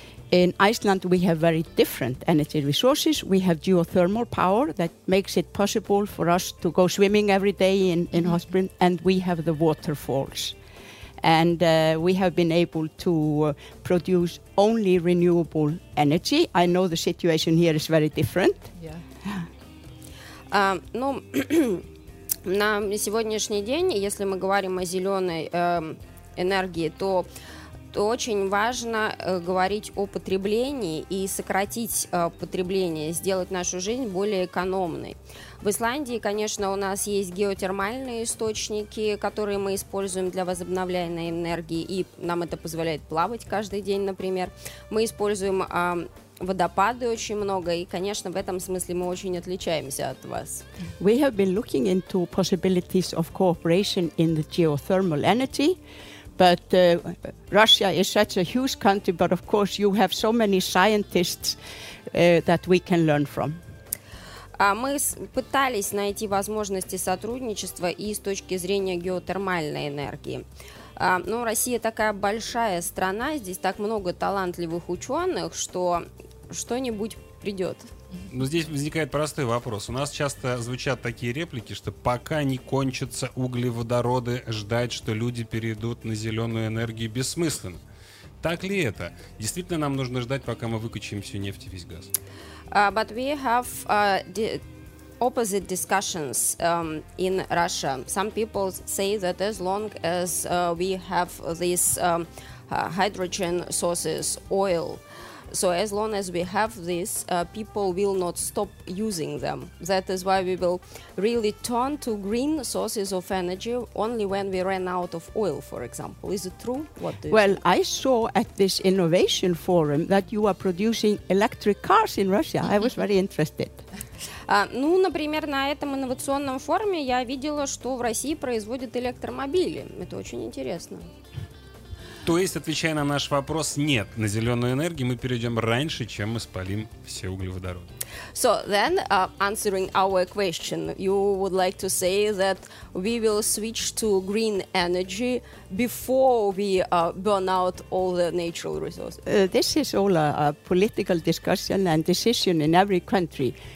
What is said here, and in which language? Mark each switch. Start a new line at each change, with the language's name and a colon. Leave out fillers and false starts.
English: In Iceland, we have very different energy resources. We have geothermal power that makes it possible for us to go swimming every day in hot springs, and we have the waterfalls. And we have been able to produce only renewable energy. I know the situation here is very different. Yeah.
Russian: Ну, на сегодняшний день, если мы говорим о зеленой энергии, то очень важно говорить о потреблении и сократить потребление, сделать нашу жизнь более экономной. В Исландии, конечно, у нас есть геотермальные источники, которые мы используем для возобновляемой энергии, и нам это позволяет плавать каждый день, например. Мы используем водопады очень много, и, конечно, в этом смысле мы очень отличаемся от вас.
English: We have been looking into possibilities of cooperation in the geothermal energy, but Russia is such a huge country, but of course you have so many scientists that we can learn from.
Russian: Мы пытались найти возможности сотрудничества и с точки зрения геотермальной энергии. Но Россия такая большая страна, здесь так много талантливых ученых, что что-нибудь придет. Ну, здесь возникает простой вопрос. У нас часто звучат такие реплики, что пока не кончатся углеводороды, ждать, что люди перейдут на зеленую энергию, бессмысленно. Так ли это? Действительно нам нужно ждать, пока мы выкачаем всю нефть и весь газ?
English: But we have opposite discussions in Russia. Some people say that as long as we have these hydrogen sources, oil, So as long as we have this, people will not stop using them. That is why we will really turn to green sources of energy only when we run out of oil, for example. Is it true? What do you Well, think? I saw at this innovation forum that you are producing electric cars in Russia. I was very interested.
Russian: Ну, например, на этом инновационном форуме я видела, что в России производят электромобили. Это очень интересно. То есть, отвечая на наш вопрос, нет, на зеленую энергию мы перейдем раньше, чем мы спалим все углеводороды.
English: So then, answering our question, you would like to say that we will switch to green energy before we burn out all the natural resources. This is all a political discussion and decision in every country.